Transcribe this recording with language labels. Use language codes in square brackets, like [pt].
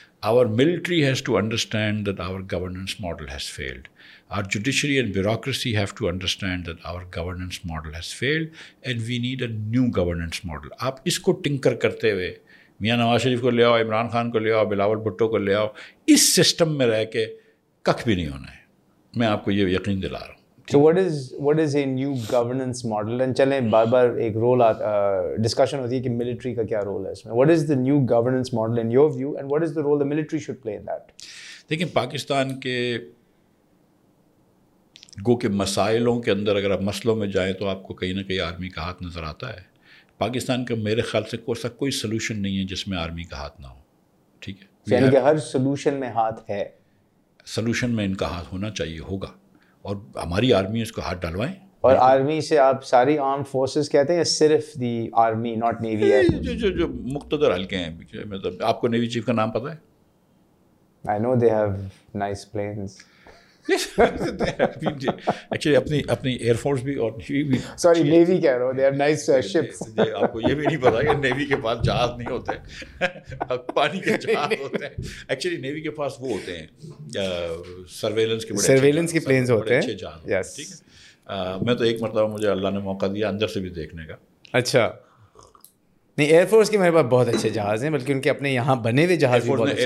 [en] Our military has to understand that our governance model has failed. Our judiciary and bureaucracy have to understand that our governance model has failed and we need a new governance model. [ur] آپ اس کو tinker کرتے ہوئے میاں نواز شریف کو لے آؤ, عمران خان کو لے آؤ, بلاول بھٹو کو لے آؤ, اس سسٹم میں رہ کے ککھ بھی نہیں ہونا ہے, میں آپ کو یہ یقین دلا رہا ہوں. [en] So what is a new governance model? [ur] And چلیں بار بار ایک رول آتا ڈسکشن ہوتی ہے کہ ملٹری کا کیا رول ہے اس میں. [en] What is the new governance model in your view and what is the role the military should play in that? [ur] دیکھیں پاکستان کے گو کے مسائلوں کے اندر اگر آپ مسئلوں میں جائیں تو آپ کو کہیں نہ کہیں آرمی کا ہاتھ نظر آتا ہے. پاکستان کا میرے خیال سے کوئی سا کوئی سلوشن نہیں ہے جس میں آرمی کا ہاتھ نہ ہو. ٹھیک ہے, یعنی کہ ہر سلوشن میں ہاتھ ہے, سلوشن میں ان کا ہاتھ ہونا چاہیے, ہوگا, اور ہماری آرمی اس کو ہاتھ ڈالوائیں. اور آرمی سے آپ ساری آرم فورسز کہتے ہیں یا صرف [en] The army, not navy? [ur] جو مقتدر حلقے ہیں. مطلب آپ کو نیوی چیف کا نام پتا ہے؟ [en] I know they have nice planes. [ur] Actually اپنی ایئر فورس بھی اور نیوی بھی, سوری نیوی کہہ رہا ہوں, [en] They have nice ships. [ur] آپ کو یہ بھی نہیں پتا کہ نیوی کے پاس جہاز نہیں ہوتے, پانی کے جہاز ہوتے ہیں. ایکچولی نیوی کے پاس وہ ہوتے ہیں سرویلنس کے پلینز ہوتے ہیں, اچھے جہاز. میں تو ایک مرتبہ مجھے اللہ نے موقع دیا اندر سے بھی دیکھنے کا. اچھا نہیں, ایئر فورس کے میرے پاس بہت اچھے جہاز ہیں, بلکہ ان کے اپنے یہاں بنے ہوئے جہاز بھی بہت اچھے ہیں.